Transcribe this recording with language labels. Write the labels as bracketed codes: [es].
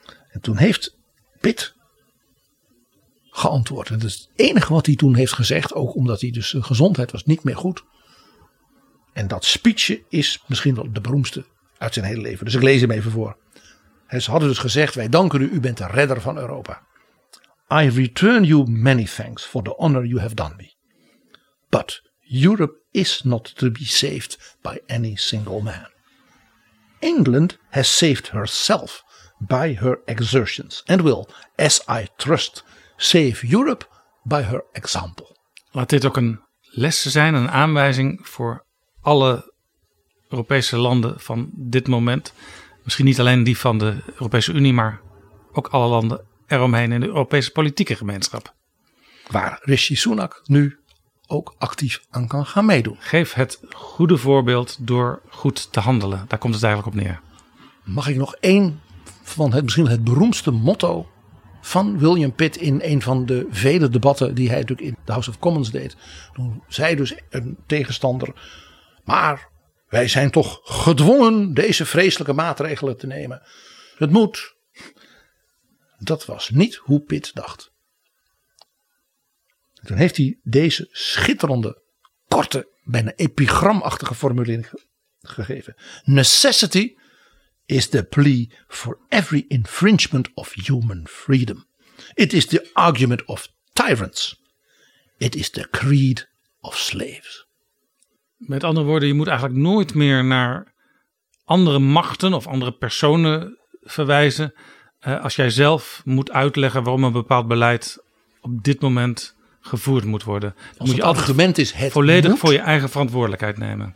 [nl] En toen heeft Pitt geantwoord. En dat is het enige wat hij toen heeft gezegd, ook omdat hij dus zijn gezondheid was niet meer goed. En dat speechje is misschien wel de beroemdste uit zijn hele leven. Dus ik lees hem even voor. Ze hadden dus gezegd, wij danken u bent de redder van Europa. [en] I return you many thanks for the honor you have done me. But Europe is not to be saved by any single man. England has saved herself by her exertions and will, as I trust, save Europe by her example. [nl] Laat dit ook een les zijn, een aanwijzing voor alle Europese landen van dit moment. Misschien niet alleen die van de Europese Unie, maar ook alle landen eromheen in de Europese politieke gemeenschap. Waar Rishi Sunak nu ook actief aan kan gaan meedoen. Geef het goede voorbeeld door goed te handelen. Daar komt het eigenlijk op neer. Mag ik nog één van het misschien het beroemdste motto van William Pitt in een van de vele debatten die hij natuurlijk in de House of Commons deed. Toen zei dus een tegenstander, maar wij zijn toch gedwongen deze vreselijke maatregelen te nemen. Het moet. Dat was niet hoe Pitt dacht. Toen heeft hij deze schitterende, korte, bijna epigramachtige formulering gegeven. [en] Necessity is the plea for every infringement of human freedom. It is the argument of tyrants. It is the creed of slaves. [nl] Met andere woorden, je moet eigenlijk nooit meer naar andere machten of andere personen verwijzen. Als jij zelf moet uitleggen waarom een bepaald beleid op dit moment gevoerd moet worden. Dan als moet het je argument is het volledig moet, voor je eigen verantwoordelijkheid nemen.